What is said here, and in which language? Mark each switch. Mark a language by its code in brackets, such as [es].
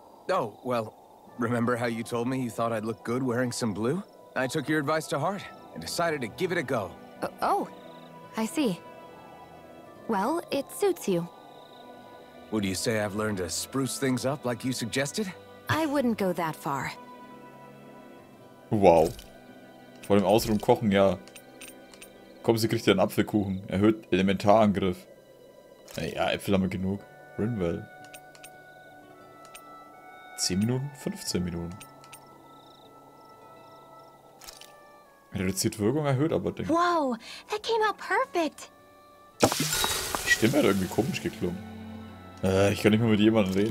[en] Oh, well, remember how you told me you thought I'd look good wearing some blue? I took your advice to heart. Decided to give it a go. Oh, I see. Well, it suits you. Would you say I've learned to spruce things up like you suggested? I wouldn't go that far. Wow. [de] Vor dem Ausruhen kochen, ja. Komm, sie kriegt ja einen Apfelkuchen. Erhöht Elementarangriff. Naja, Äpfel haben wir genug. Rinwell. 10 Minuten, 15 Minuten. Reduziert Wirkung, erhöht aber Ding. [en] Wow, that came out perfect. [de] Die Stimme hat irgendwie komisch geklungen. Ich kann nicht mehr mit jemandem reden.